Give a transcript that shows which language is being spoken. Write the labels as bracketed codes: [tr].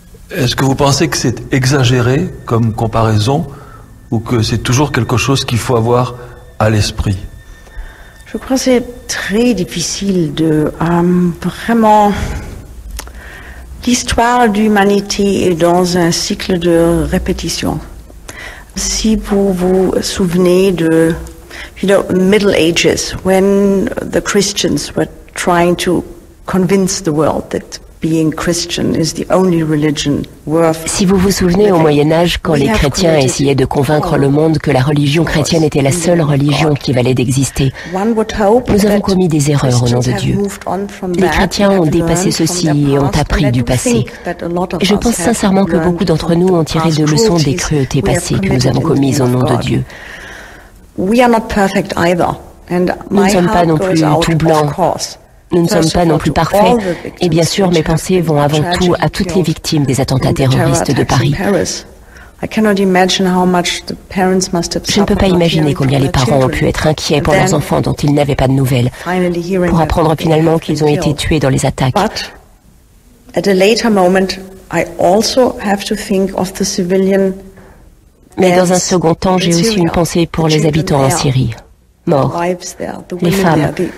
[fr] Est-ce que vous pensez que c'est exagéré comme comparaison ou que c'est toujours quelque chose qu'il faut avoir à l'esprit? Je crois que c'est très difficile de vraiment... L'histoire de l'humanité est dans un cycle de répétition. Si vous vous souvenez de, [en] you know, Middle Ages, when the Christians were trying to convince the world that being Christian is the only religion worth. [fr] Si vous vous souvenez au Moyen-Âge, quand les chrétiens essayaient de convaincre le monde que la religion chrétienne était la seule religion qui valait d'exister, nous avons commis des erreurs au nom de Dieu. Les chrétiens ont dépassé ceci et ont appris du passé. Je pense sincèrement que beaucoup d'entre nous ont tiré des leçons des cruautés passées que nous avons commises au nom de Dieu. Nous ne sommes pas non plus tout blancs. Nous ne sommes pas non plus parfaits, et bien sûr, mes pensées vont avant tout à toutes les victimes des attentats terroristes de Paris. Je ne peux pas imaginer combien les parents ont pu être inquiets pour leurs enfants dont ils n'avaient pas de nouvelles, pour apprendre finalement qu'ils ont été tués dans les attaques. Mais, à un moment moment, [en] I also have to think of the civilian. [fr] Mais dans un second temps, j'ai aussi une pensée pour les habitants en Syrie, morts, les femmes.